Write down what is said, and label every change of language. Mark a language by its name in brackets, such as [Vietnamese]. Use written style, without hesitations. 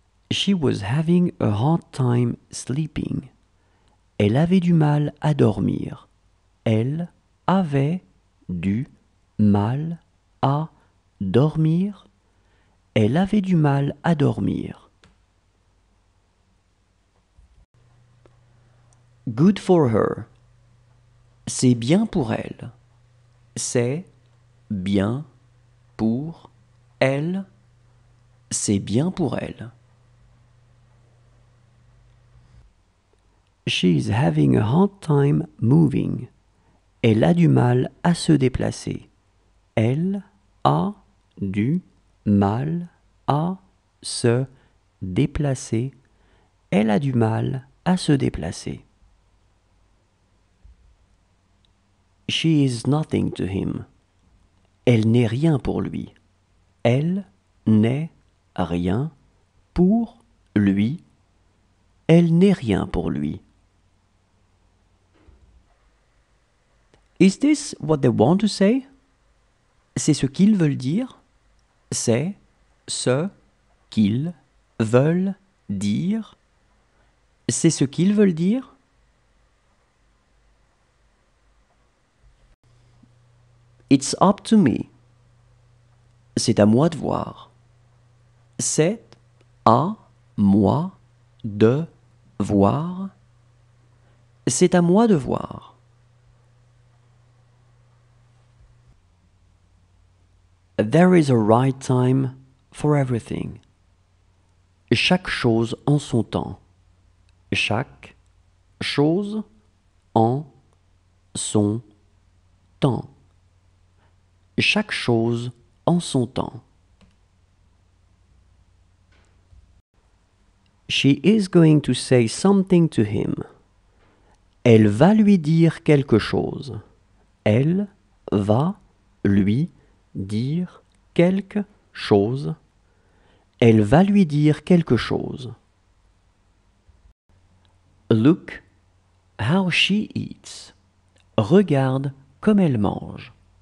[English] She was having a hard time sleeping. [French] Elle avait du mal à dormir. Elle avait du mal à dormir. Elle avait du mal à dormir. [English] Good for her. [French] C'est bien pour elle. C'est bien pour elle. C'est bien pour elle. [English] She's having a hard time moving. [French] Elle a du mal à se déplacer. Elle a du mal à se déplacer. Elle a du mal à se déplacer. [English] She is nothing to him. [French] Elle n'est rien pour lui. Elle n'est rien pour lui. Elle n'est rien pour lui. [English] Is this what they want to say? [French] C'est ce qu'ils veulent dire? C'est ce qu'ils veulent dire? C'est ce qu'ils veulent dire? [English] It's up to me. [French] C'est à moi de voir. C'est à moi de voir. C'est à moi de voir. [English] There is a right time for everything. [French] Chaque chose en son temps. Chaque chose en son temps. Chaque chose en son temps. [English] She is going to say something to him. [French] Elle va lui dire quelque chose. Elle va lui dire quelque chose. Elle va lui dire quelque chose. [English] Look how she eats. [French] Regarde comme elle mange.